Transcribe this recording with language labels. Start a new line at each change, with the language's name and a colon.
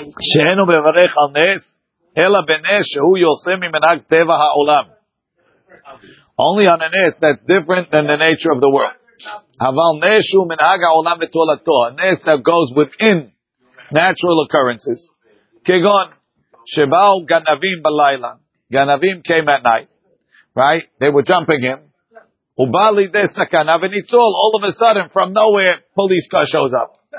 Hebrew: שאינו מברך על נס אלא בנס שהוא יוסף ממנהג טבע העולם.
English: Only on a nes that's different than the nature of the world.
Hebrew: אבל נס הוא מנהג העולם ותולדתו.
English: A nes that goes within natural occurrences.
Hebrew: כגון שבאו גנבים בלילה.
English: גנבים came at night. Right? They were jumping him.
Hebrew: הוא בא לידי סכנה וניצול.
English: All of a sudden from nowhere police car shows up.